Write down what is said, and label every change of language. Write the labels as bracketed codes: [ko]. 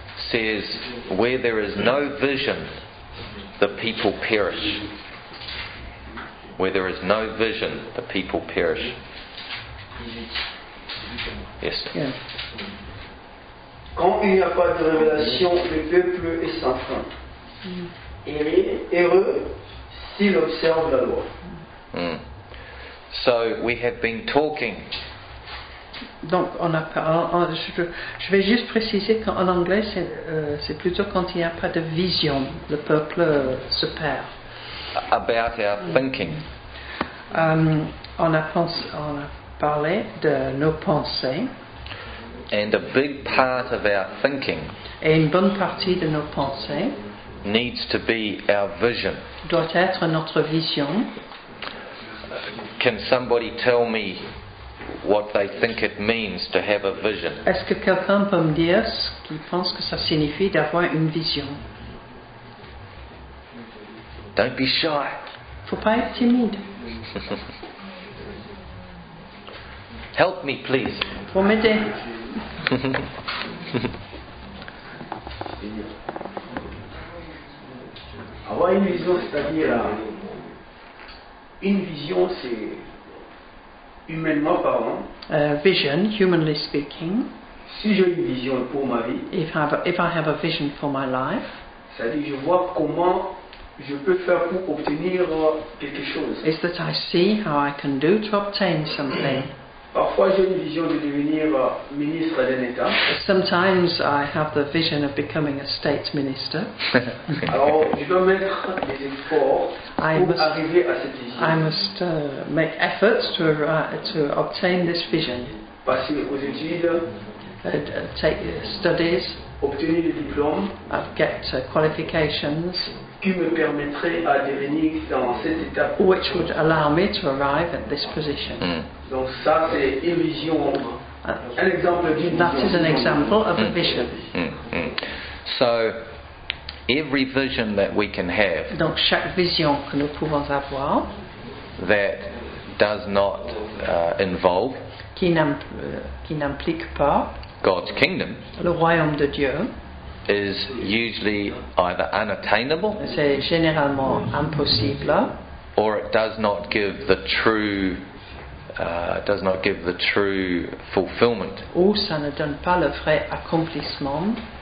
[en] Says, where there is no vision, the people perish. Where there is no vision, the people perish. Yes. [fr] Quand il n'y a pas de révélation, le peuple est sans fin. Il est heureux s'il observe la loi. [en] So we have been talking. [fr] Donc, on a je vais juste préciser qu'en anglais, c'est plutôt quand il n'y a pas de vision, le peuple se perd. [en] About our thinking. [fr] On a parlé de nos pensées. [en] And a big part of our thinking. [fr] Et une bonne partie de nos pensées. [en] Needs to be our vision. [fr] Doit être notre vision. [en] Can somebody tell me what they think it means to have a vision? [fr] Est-ce que quelqu'un peut me dire ce qu'il pense que ça signifie d'avoir une vision? [en] Don't be shy. [fr] Faut pas être timide. [en] Help me, please. [fr] Pour m'aider. Avoir une vision, c'est-à-dire une vision, c'est humainement parlant. [en] Vision, humanly speaking. [fr] Si j'ai une vision pour ma vie. [en] If I have a vision for my life. [fr] C'est-à-dire, je vois comment je peux faire pour obtenir quelque chose. [en] Is that I see how I can do to obtain something. [fr] Parfois, j'ai une vision de devenir ministre d'un État. [en] Sometimes I have the vision of becoming a state minister. [fr] Alors, je dois mettre des efforts pour arriver à cette vision. [en] I must make efforts to obtain this vision. [fr] passé aux études, [en] take studies, [fr] obtenu des diplômes, [en] get qualifications, [fr] qui me permettrait à devenir dans cette étape, [en] which would allow me to arrive at this position. [fr] Donc ça c'est une vision. [en] An example of that is an example of a vision. So every vision that we can have, [fr] donc chaque vision que nous pouvons avoir, [en] that does not involve, [fr] qui n'implique pas, [en] God's kingdom, [fr] le royaume de Dieu, [en] is usually either unattainable, [fr] c'est généralement impossible, [en] or it does not give the true does not give the true fulfillment. [fr] Ou ça ne donne pas le vrai accomplissement.